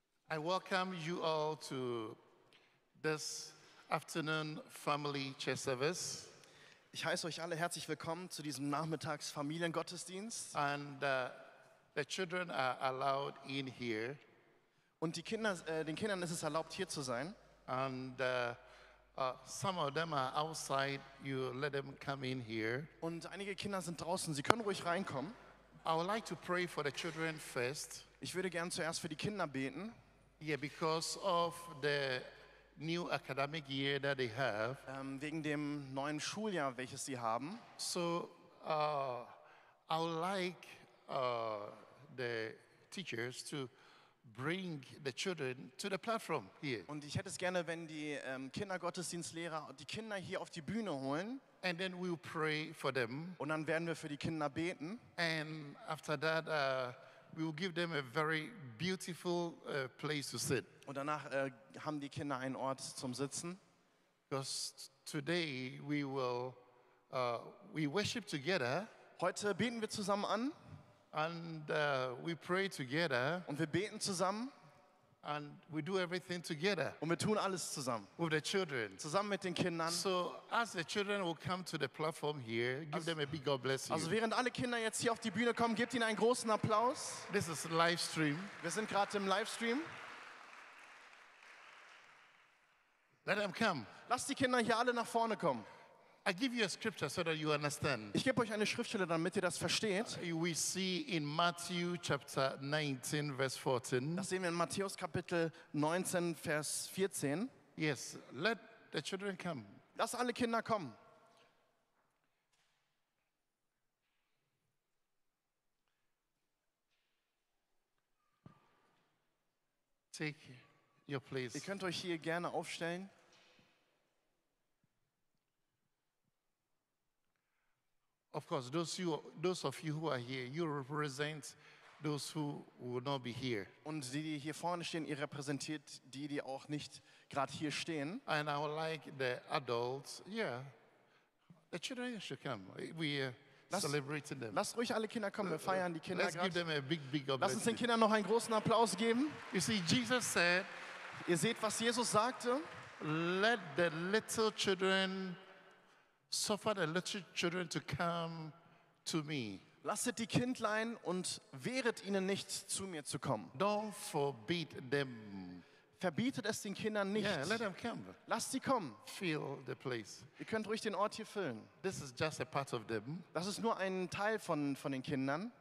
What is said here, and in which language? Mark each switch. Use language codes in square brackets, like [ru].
[en] I welcome you all to this afternoon family church service. [de] Ich heiße euch alle herzlich willkommen zu diesem Nachmittagsfamiliengottesdienst. [en] And the children are allowed in here. [de] Und die Kinder, den Kindern ist es erlaubt hier zu sein. [en] And some of them are outside. You let them come in here. [de] Und einige Kinder sind draußen. Sie können ruhig reinkommen. [en] I would like to pray for the children first. [de] Ich würde gern zuerst für die Kinder beten. [en] Yeah, because of the new academic year that they have. [de] Wegen dem neuen Schuljahr, welches sie haben. [en] So, I would like the teachers to bring the children to the platform here. [de] Und ich hätte es gerne, wenn die Kindergottesdienstlehrer die Kinder hier auf die Bühne holen. [en] And then we'll pray for them. [de] Und dann werden wir für die Kinder beten. [en] And after that, we will give them a very beautiful place to sit. [de] Und danach haben die Kinder einen Ort zum Sitzen. [en] Because today we will we worship together. [de] Heute beten wir zusammen an. [en] And we pray together. [de] Und wir beten zusammen. [en] And we do everything together. [de] Und wir tun alles zusammen. [en] With the children. [de] Zusammen mit den Kindern. [en] So as the children will come to the platform here, give them a big God bless you. [de] Also während alle Kinder jetzt hier auf die Bühne kommen, gebt ihnen einen großen Applaus. [en] This is a live stream. [de] Wir sind gerade im Livestream. [en] Let them come. [de] Lasst die Kinder hier alle nach vorne kommen. [en] I give you a scripture so that you understand. [de] Ich gebe euch eine Schriftstelle, damit ihr das versteht. [en] We see in Matthew chapter 19, verse 14. [de] Das sehen wir in Matthäus Kapitel 19, Vers 14. [en] Yes, let the children come. [de] Lass alle Kinder kommen. [en] Take your place. [de] Ihr könnt euch hier gerne aufstellen. [en] Of course, those of you who are here, you represent those who will not be here. [de] Und die, die hier vorne stehen, ihr repräsentiert die, die auch nicht gerade hier stehen. [en] And I would like the adults, yeah, the children should come. We celebrating them. [de] Lasst ruhig alle Kinder kommen, wir feiern die Kinder. [en] Let's give them a big applause. [de] Lasst uns den Kindern noch einen großen Applaus geben. [en] You see, Jesus said, [de] ihr seht, was Jesus sagte, [en] let the little children suffer the little children to come to me. [de] Lasset die Kindlein und wehret ihnen nicht, zu mir zu kommen. [en] Don't forbid them. [de] Verbietet es den Kindern nicht. [en] Yeah, let them come. [de] Lasst sie kommen. [en] Fill the place. [de] Ihr könnt ruhig den Ort hier füllen. [en] This is just a part of them. [de] Das ist nur ein Teil von den Kindern.